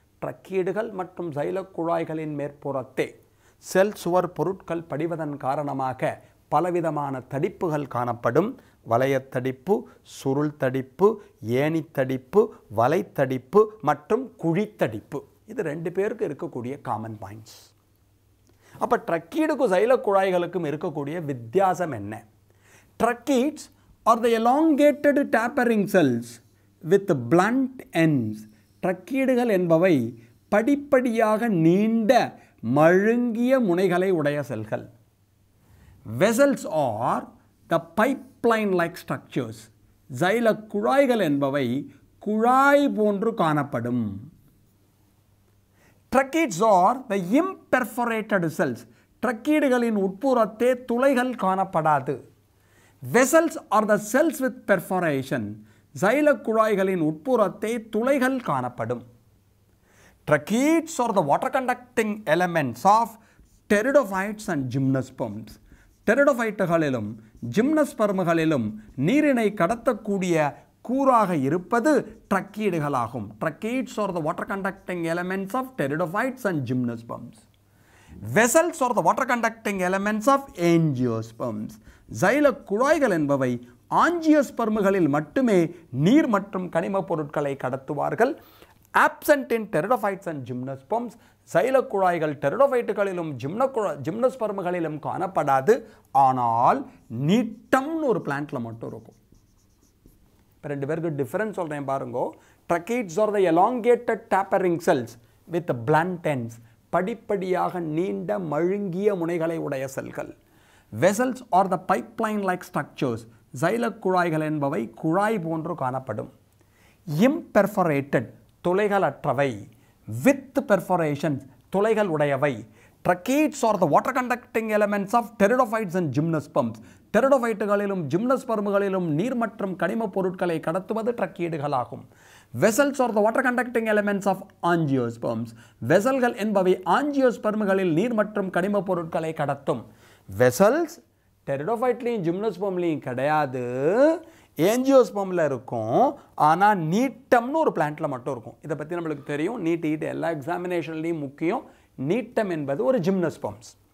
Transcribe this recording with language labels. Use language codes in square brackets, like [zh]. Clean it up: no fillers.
[ta] ட்ரக்கீடுகள் மற்றும் சைலக்குழாய்களின் மேற்புறத்தே செல் சுவர் பொருட்கள் படிவதன் காரணமாக பலவிதமான தடிப்புகள் காணப்படும். வளையத்தடிப்பு, சுருள் தடிப்பு, ஏணித்தடிப்பு, வலைத்தடிப்பு மற்றும் குழித்தடிப்பு. இது ரெண்டு பேருக்கு இருக்கக்கூடிய காமன் பாயிண்ட்ஸ். அப்போ ட்ரக்கீடுக்கும் சைலக்குழாய்களுக்கும் இருக்கக்கூடிய வித்தியாசம் என்ன? [en] Tracheids are the elongated tapering cells with blunt ends. [ta] Tracheidகள் என்பவை படிப்படியாக நீண்ட மழுங்கிய முனைகளை உடைய செல்கள். [en] Vessels are the pipeline-like structures. [ta] Xyla குழாய்கள் என்பவை குழாய் போன்று காணப்படும். [en] Tracheids are the imperforated cells. [ta] Tracheidகளின் உட்புறத்தே துளைகள் காணப்படாது. [en] Vessels are the cells with perforation. [ta] Xyla குழாய்களின் உட்புறத்தே துளைகள் காணப்படும். [en] Tracheids are the water conducting elements of pteridophytes and gymnosperms. [ta] Pteridophyte-களிலும் gymnosperm-களிலும் நீரினை கடத்தக்கூடிய கூறாக இருப்பது tracheid-களாகும். [en] Tracheids are the water conducting elements of pteridophytes and gymnosperms. Vessels are the water conducting elements of angiosperms. [ta] Xyla குழாய்கள் என்பவை angiosperm-களில் மட்டுமே நீர் மற்றும் கனிமப் பொருட்களை கடத்துவார்கள். [en] Absent in pteridophytes and gymnosperms, [ta] Xyla குழாய்கள் pteridophyte-களிலும் gymnosperm-களிலும் காணப்படாது. ஆனால் நீட்டம்னு ஒரு பிளான்ட்ல மட்டும் இருக்கும். இப்போ ரெண்டு பேருக்கு டிஃபரன்ஸ் சொல்றேன் பாருங்கோ. [en] Tracheids are the elongated tapering cells with blunt ends. [ta] படிப்படியாக நீண்ட மழுங்கிய முனைகளை உடைய செல்கள். [en] Vessels are the pipeline-like structures. [ta] Xyla குழாய்கள் என்பவை குழாய் போன்று காணப்படும். [en] Imperforated, [ta] துளைகளற்றவை. [en] With perforations, [ta] துளைகள் உடையவை. [en] Tracheids are the water conducting elements of pteridophytes and gymnosperms. [ta] Pteridophyte-களிலும் gymnosperm-களிலும் நீர் மற்றும் கனிமப் பொருட்களை கடத்துவது tracheid-களாகும். [en] Vessels are the water conducting elements of angiosperms. [ta] Vessel-கள் என்பவை angiosperm-களில் நீர் மற்றும் கனிமப் பொருட்களை கடத்தும். Vessels pteridophyte-லையும் gymnosperm-லையும் கிடையாது, ஏஞ்சியோஸ்பம்ல இருக்கும். ஆனால் நீட்டம்னு ஒரு பிளான்ட்ல மட்டும் இருக்கும். இதை பற்றி நம்மளுக்கு தெரியும். நீட் ஈட்டு எல்லா எக்ஸாமினேஷன்லேயும் முக்கியம். நீட்டம் என்பது ஒரு ஜிம்னோஸ்பம்ஸ்.